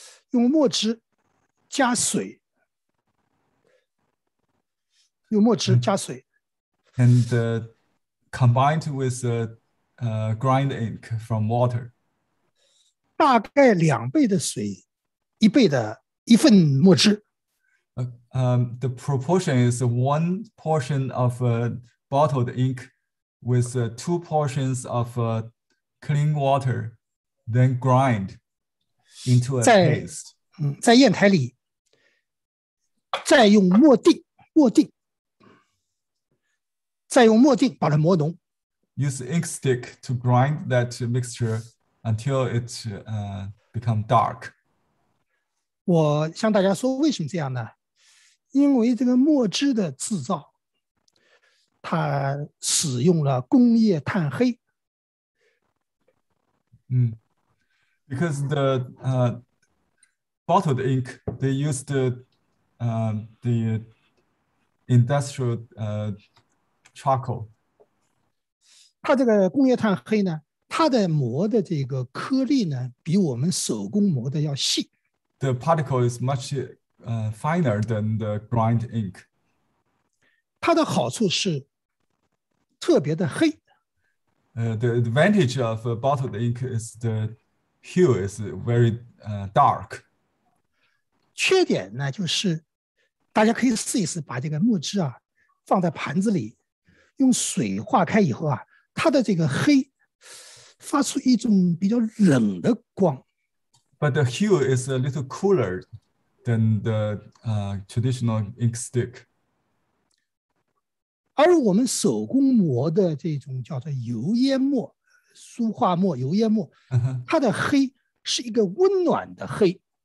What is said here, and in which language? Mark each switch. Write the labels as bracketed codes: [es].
[zh] 用墨汁加水，用墨汁加水。 [en] And combined with grind ink from water. [zh] 大概两倍的水，一倍的一份墨汁。 [en] The proportion is one portion of bottled ink with two portions of clean water, then grind into a paste. [zh] 在砚台里，再用墨锭，墨锭，再用墨锭把它磨浓。 [en] Use ink stick to grind that mixture until it become dark. [zh] 我向大家说为什么这样呢？因为这个墨汁的制造，它使用了工业炭黑。 [en] Because the bottled ink, they used the industrial charcoal. [zh] 它这个工业炭黑呢，它的磨的这个颗粒呢，比我们手工磨的要细。 [en] The particle is much finer than the grind ink. [zh] 它的好处是特别的黑。 [en] The advantage of bottled ink is the hue is very dark. [zh] 缺点呢，就是大家可以试一试，把这个墨汁啊放在盘子里，用水化开以后啊，它的这个黑发出一种比较冷的光。 [en] But the hue is a little cooler than the traditional ink stick. [zh] 而我们手工磨的这种叫做油烟墨、书画墨、油烟墨，它的黑是一个温暖的黑。